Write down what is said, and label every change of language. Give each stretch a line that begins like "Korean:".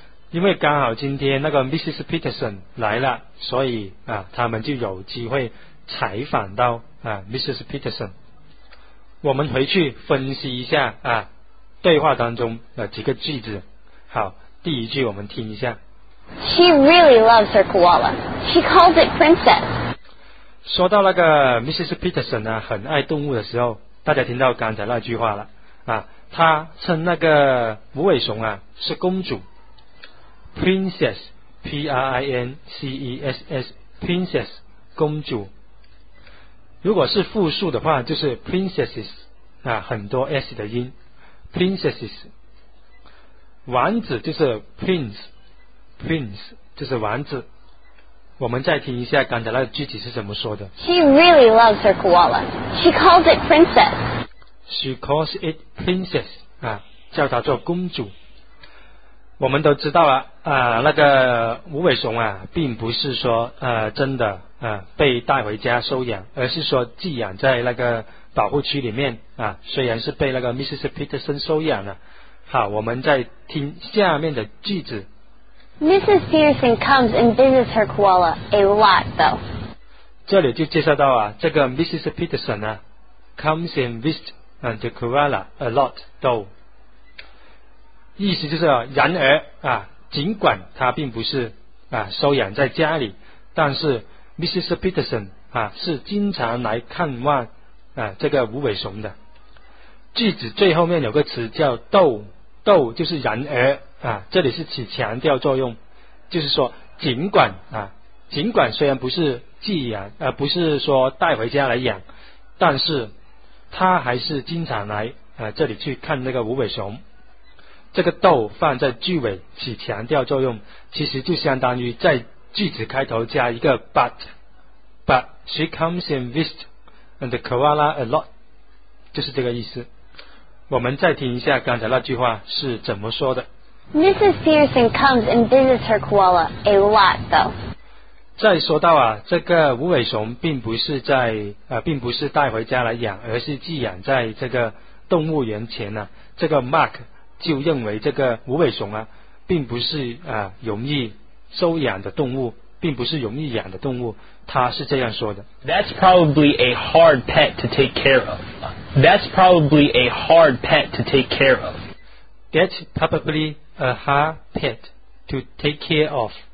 Chinese: 因为刚好今天那个 Mrs. Peterson 来了，所以啊他们就有机会采访到啊 Mrs. Peterson。我们回去分析一下啊对话当中的几个句子。好，第一句我们听一下。
English: She really loves her koala. She calls it princess.
Chinese: 说到那个 Mrs. Peterson 啊很爱动物的时候，大家听到刚才那句话了啊，他称那个无尾熊啊是公主 ，princess， p r i n c e s s， princess， 公主。如果是复数的话，就是 princesses 啊，很多 s 的音 ，princesses。王子就是 prince， 就是王子。我们再听一下刚才那个具体是怎么说的。
English: She really loves her koala. She calls it princess. She calls it princess
Chinese: 啊，叫她做公主。我们都知道了啊，那个无尾熊啊，并不是说真的啊被带回家收养，而是说寄养在那个保护区里面啊。虽然是被那个 Mrs. Peterson 收养了。好，我们再听下面的句子。
English: Mrs. Peterson comes and visits her koala a lot, though.
Chinese: 这里就介绍到啊，这个 Mrs. Peterson 呢、啊、
English: comes and visits。 And the koala a lot though，
Chinese: 意思就是然而啊，尽管他并不是啊收养在家里，但是 Mrs. Peterson 啊是经常来看望啊这个无尾熊的。句子最后面有个词叫 though， 就是然而啊，这里是起强调作用，就是说尽管啊尽管虽然不是寄养，不是说带回家来养，但是他还是经常来这里去看那个无尾熊。这个逗放在句尾起强调作用，其实就相当于在句子开头加一个
English: but she comes and visits and the koala a lot，
Chinese: 就是这个意思。我们再听一下刚才那句话是怎么说的。
English: Mrs. Pearson comes and visits her koala a lot, though.
Chinese: 再说到啊，这个无尾熊并不是在并不是带回家来养，而是寄养在这个动物园前呢。这个 Mark 就认为这个无尾熊啊，并不是容易收养的动物，并不是容易养的动物。他是这样说的。
English: That's probably a hard pet to take care of. That's probably a hard pet to take care of. That's probably a hard pet to take care of.